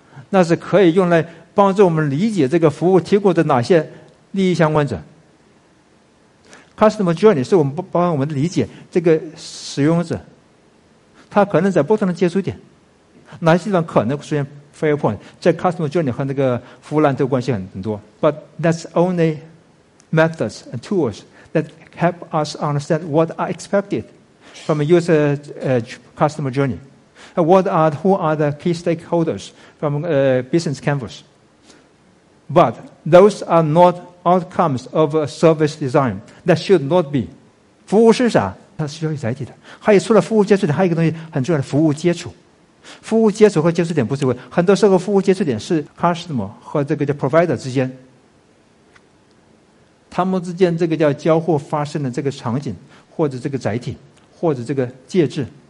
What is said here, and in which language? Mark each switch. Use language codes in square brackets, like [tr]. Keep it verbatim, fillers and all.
[zh] 那是可以用来帮助我们理解这个服务提供的哪些利益相关者。 customer journey 是我们帮我们理解这个使用者，他可能在不同的接触点，哪些地方可能出现。 Fair point， 这 customer journey 和那个服务蓝图关系很很多。 [en] But that's only methods and tools that help us understand what are expected from a user uh, customer journey. And what are who are the key stakeholders from a uh, business canvas? But those are not outcomes of a service design. That should not be. [zh] 服务是啥？它是需要有载体的。还有除了服务接触点，还有一个东西很重要的，服务接触。服务接触和接触点不是一回，很多时候服务接触点是 customer 和这个叫 provider 之间，他们之间这个叫交互发生的这个场景，或者这个载体，或者这个介质。